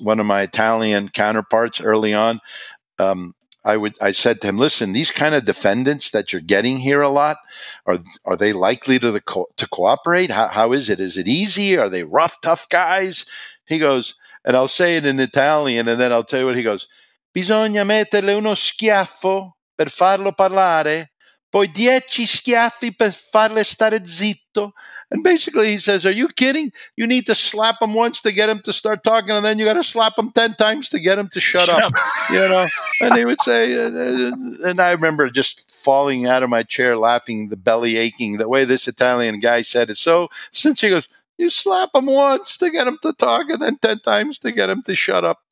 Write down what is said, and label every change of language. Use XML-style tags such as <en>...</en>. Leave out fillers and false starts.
<en>One of my Italian counterparts early on, I said to him, listen, these kind of defendants that you're getting here a lot, are they likely to cooperate? How is it? Is it easy? Are they rough, tough guys? He goes, and I'll say it in Italian, and then I'll tell you what he goes.</en> <it>Bisogna metterle uno schiaffo per farlo parlare, poi 10 schiaffi per farle stare zitto.</it> <en>And basically he says, are you kidding? You need to slap him once to get him to start talking, and then you got to slap him 10 times to get him to shut up. You know. And he would say, and I remember just falling out of my chair laughing, the belly aching, the way this Italian guy said it. So since he goes, you slap them once to get them to talk, and then 10 times to get them to shut up.</en>